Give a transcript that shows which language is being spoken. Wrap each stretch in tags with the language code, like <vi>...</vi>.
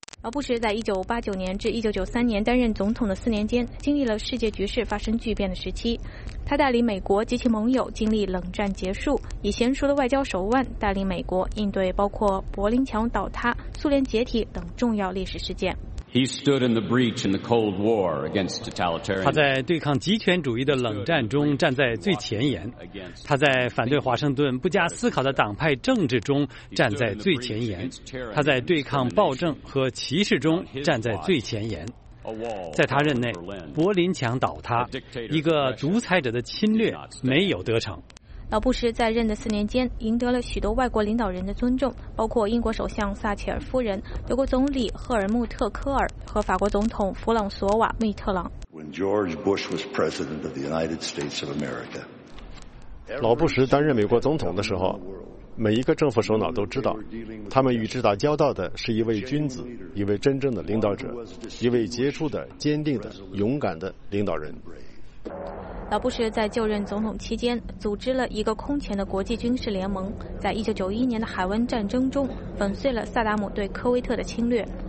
<zh>布什在1989年至1993年担任总统的4年间，经历了世界局势发生巨变的时期。他带领美国及其盟友经历冷战结束，以娴熟的外交手腕带领美国应对包括柏林墙倒塌、苏联解体等重要历史事件。</zh> <en>He stood in the breach in the Cold War against totalitarian.</en> <zh>他在对抗极权主义的冷战中站在最前沿。他在反对华盛顿不加思考的党派政治中站在最前沿。他在对抗暴政和歧视中站在最前沿。在他任内，柏林墙倒塌，一个独裁者的侵略没有得逞。老布什在任的4年间赢得了许多外国领导人的尊重，包括英国首相撒切尔夫人、德国总理赫尔穆特·科尔和法国总统弗朗索瓦·密特朗。</zh> <en>When George Bush was president of the United States of America,</en> <zh>老布什担任美国总统的时候，每一个政府首脑都知道，他们与之打交道的是一位君子，一位真正的领导者，一位杰出的、坚定的、勇敢的领导人。老布什在就任总统期间组织了一个空前的国际军事联盟，在1991年的海湾战争中粉碎了萨达姆对科威特的侵略。</zh>